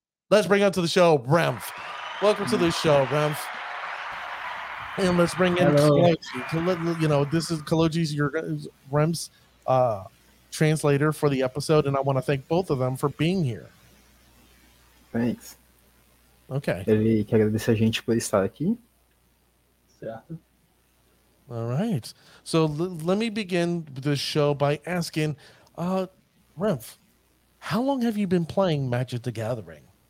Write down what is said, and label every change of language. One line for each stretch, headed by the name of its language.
English: Let's bring onto the show, Remf. Welcome to the show, Remf. And let's bring in Kaloji. This is Kaloji's, Remf's translator for the episode, and I want to thank both of them for being here. Thanks. Okay.
Portuguese: Ele quer agradecer a gente por estar aqui. Certo.
English: All right. So let me begin the show by asking, Remf, how long have you been playing Magic the Gathering?